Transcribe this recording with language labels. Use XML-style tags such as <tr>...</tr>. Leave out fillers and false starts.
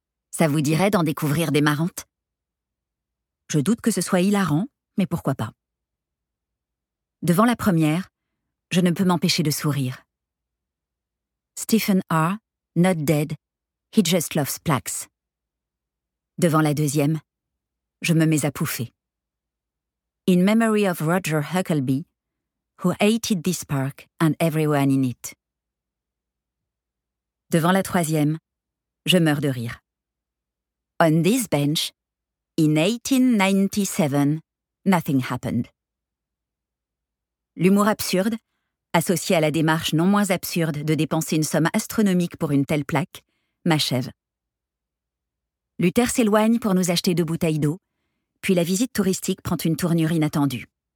<fr>Ça vous dirait d'en découvrir des marrantes? Je doute que ce soit hilarant, mais pourquoi pas. Devant la première, je ne peux m'empêcher de sourire.</fr> <en>Stephen R., not dead, he just loves plaques.</en> <fr>Devant la deuxième, je me mets à pouffer.</fr> <en>In memory of Roger Huckleby, who hated this park and everyone in it.</en> <fr>Devant la troisième, je meurs de rire.</fr> <en>On this bench, in 1897, nothing happened.</en> <fr>L'humour absurde, associé à la démarche non moins absurde de dépenser une somme astronomique pour une telle plaque, m'achève. Luther s'éloigne pour nous acheter deux bouteilles d'eau, puis la visite touristique prend une tournure inattendue.</fr>